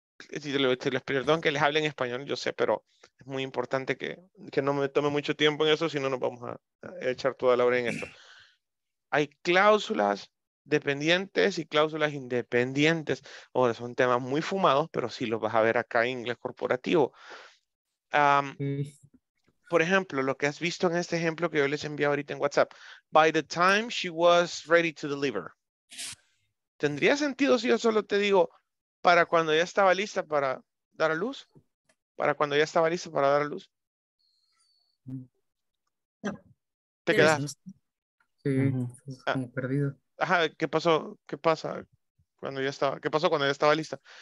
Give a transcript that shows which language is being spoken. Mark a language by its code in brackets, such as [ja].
[es] Les perdón que les hable en español, yo sé, pero es muy importante que no me tome mucho tiempo en eso, si no nos vamos a echar toda la hora en esto. Hay cláusulas dependientes y cláusulas independientes. Ahora, son temas muy fumados, pero sí los vas a ver acá en inglés corporativo. Por ejemplo, lo que has visto en este ejemplo que yo les envié ahorita en WhatsApp. [en] By the time she was ready to deliver. [es] ¿Tendría sentido si yo solo te digo... para cuando ya estaba lista para dar a luz? ¿Para cuando ya estaba lista para dar a luz? No. ¿Te quedas? Sí, como perdido. Ajá, ¿qué pasó? ¿Qué pasa? ¿Qué pasó cuando ya estaba lista?